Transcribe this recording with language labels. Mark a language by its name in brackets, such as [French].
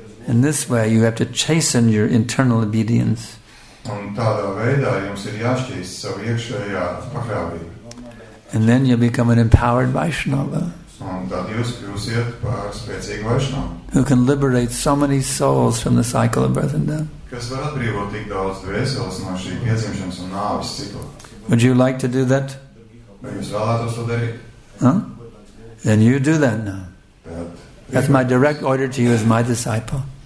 [English] In this way, you have to chasten your internal obedience. [Latvian] Un tādā veidā jums ir jāšķīst savu iekšējā pakļāvību. [English] And then you'll become an empowered Vaishnava. [Latvian] Un tad jūs kļūsiet par spēcīgu Vaishnava. [English] Who can liberate so many souls from the cycle of birth and death. [Latvian] Kas var atbrīvot tik daudz dvēseles no šī piedzimšanas un nāves cikla. [English] Would you like to do that? [Latvian] Vai jūs vēlētos to darīt? [English] Then you do that now. That's my direct order to you as my disciple.